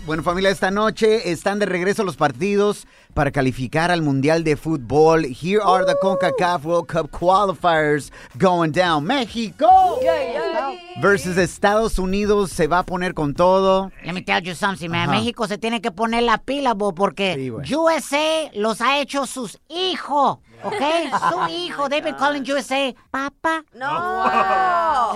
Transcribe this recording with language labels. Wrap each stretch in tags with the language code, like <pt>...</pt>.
<es>Bueno, familia, esta noche están de regreso los partidos para calificar al Mundial de Fútbol.</es> <en>Here are the CONCACAF World Cup qualifiers going down.</en> <es>¡México! Versus Estados Unidos se va a poner con todo.</es> <en>Let me tell you something, man.</en> <es>México se tiene que poner la pila, bo, porque USA los ha hecho sus hijos.</es> <en>Okay,</en> <es>su hijo,</es> <en>they've been calling USA papa. No.</en>